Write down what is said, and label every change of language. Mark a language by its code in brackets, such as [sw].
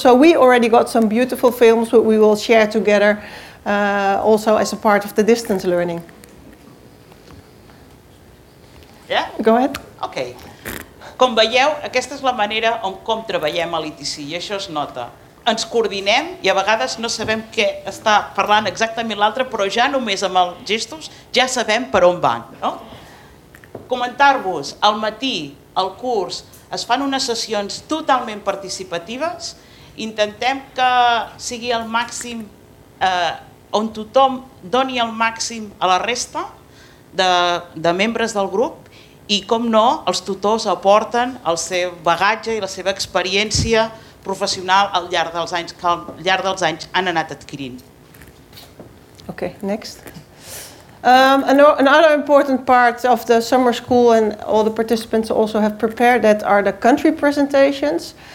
[en] So we already got some beautiful films that we will share together also as a part of the distance learning. Yeah? Go ahead. Okay. [ca] Com veieu, aquesta és la manera on com treballem a l'ITC, i això es nota. Ens coordinem i a vegades no sabem què està parlant exactament l'altre, però ja només amb els gestos ja sabem per on van. No? Comentar-vos, al matí, al curs, es fan unes sessions totalment participatives, intentem que sigui el màxim on tothom doni el màxim a la resta de membres del grup i, com no, els tutors aporten el seu bagatge i la seva experiència professional al llarg dels anys que han anat adquirint. [en] Okay, next. Another important part of the summer school, and all the participants also have prepared, that are the country presentations.